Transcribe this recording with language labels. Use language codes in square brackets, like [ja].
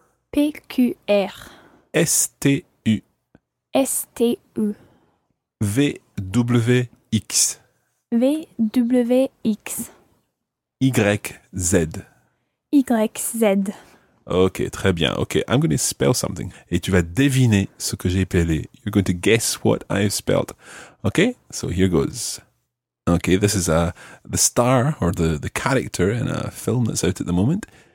[en] P, Q, R. S, T, U. S, T, U. V, W, X. V, W, X. Y, Z. Y, Z. [fr] Ok, très bien. [en] Ok, I'm going to spell something. [fr] Et tu vas deviner ce que j'ai spellé. [en] You're going to guess what I've spelled. Ok, so here goes. Ok, this is the star or the character in a film that's out at the moment.